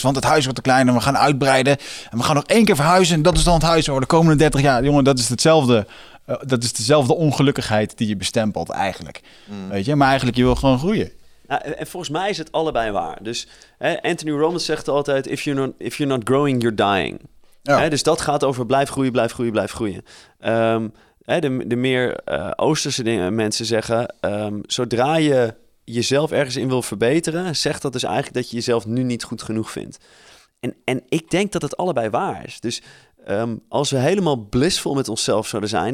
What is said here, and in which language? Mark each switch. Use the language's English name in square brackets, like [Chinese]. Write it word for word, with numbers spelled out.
[Dutch] Want het huis wordt te klein en we gaan uitbreiden. En we gaan nog één keer verhuizen. En dat is dan het huis over de komende dertig jaar. Jongen, dat is hetzelfde. Uh, dat is dezelfde ongelukkigheid die je bestempelt eigenlijk. Mm. Weet je? Maar eigenlijk, je wil gewoon groeien. Ja, en volgens mij is het allebei waar. Dus hè, Anthony Robbins zegt altijd... [English] If you're not, if you're not growing, you're dying. [Dutch] Ja. Hè, dus dat gaat over blijf groeien, blijf groeien, blijf groeien. Um, Hè, de, de meer uh, Oosterse dingen, mensen zeggen... Um, zodra je jezelf ergens in wil verbeteren... zegt dat dus eigenlijk dat je jezelf nu niet goed genoeg vindt. En, en ik denk dat het allebei waar is. Dus um, als we helemaal blissvol met onszelf zouden zijn...